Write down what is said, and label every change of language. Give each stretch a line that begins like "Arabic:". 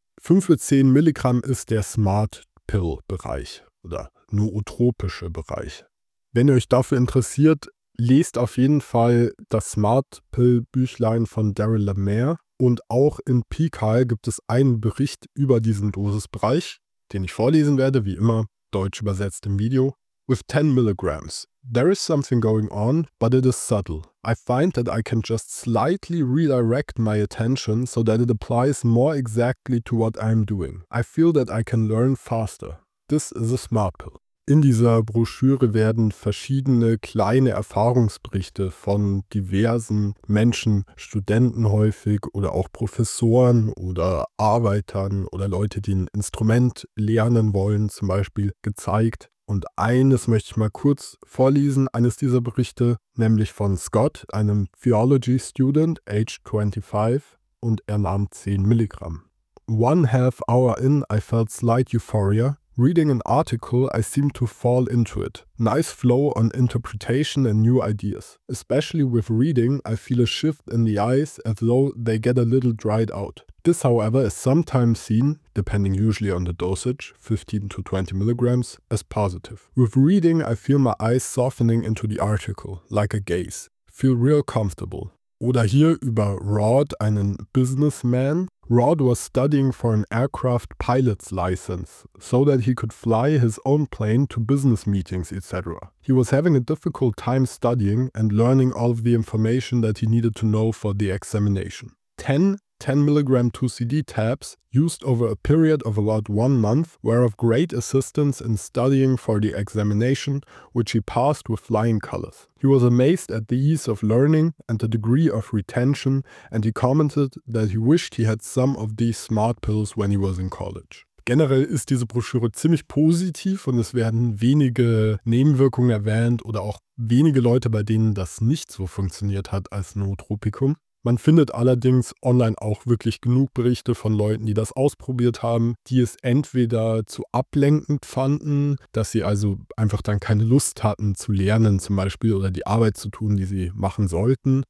German: 5 bis 10 Milligramm ist der Smart Pill Bereich oder nootropische Bereich. Wenn ihr euch dafür interessiert, lest auf jeden Fall das Smart Pill Büchlein von Daryl Lemaire und auch in Pikal gibt es einen Bericht über diesen Dosisbereich, den ich vorlesen werde, wie immer, deutsch übersetzt im Video.
English: With 10 milligrams, there is something going on, but it is subtle. I find that I can just slightly redirect my attention so that it applies more exactly to what I am doing. I feel that I can learn faster. This is a smart pill.
German: In dieser Broschüre werden verschiedene kleine Erfahrungsberichte von diversen Menschen, Studenten häufig oder auch Professoren oder Arbeitern oder Leute, die ein Instrument lernen wollen, zum Beispiel, gezeigt. Und eines möchte ich mal kurz vorlesen, eines dieser Berichte, nämlich von Scott, einem
English: Theology Student, age 25,
German: und er nahm 10 Milligramm.
English: One half hour in, I felt slight euphoria. Reading an article, I seemed to fall into it. Nice flow on interpretation and new ideas. Especially with reading, I feel a shift in the eyes as though they get a little dried out. This, however, is sometimes seen, depending usually on the dosage, 15 to 20 milligrams, as positive. With reading, I feel my eyes softening into the article, like a gaze. feel real comfortable.
German: Oder hier über Rod, einen Businessman.
English: Rod was studying for an aircraft pilot's license, so that he could fly his own plane to business meetings, etc. He was having a difficult time studying and learning all of the information that he needed to know for the examination. 10 10 milligram 2CD tabs used over a period of about 1 month were of great assistance in studying for the examination, which he passed with flying colors. He was amazed at the ease of learning and the degree of retention, and he commented that he wished he had some of these smart pills when he was in college.
German: Generell ist diese Broschüre ziemlich positiv und es werden wenige Nebenwirkungen erwähnt oder auch wenige Leute, bei denen das nicht so funktioniert hat als Nootropikum. Man findet allerdings online auch wirklich genug Berichte von Leuten, die das ausprobiert haben, die es entweder zu ablenkend fanden, dass sie also einfach dann keine Lust hatten zu lernen zum Beispiel oder die Arbeit zu tun, die sie machen sollten.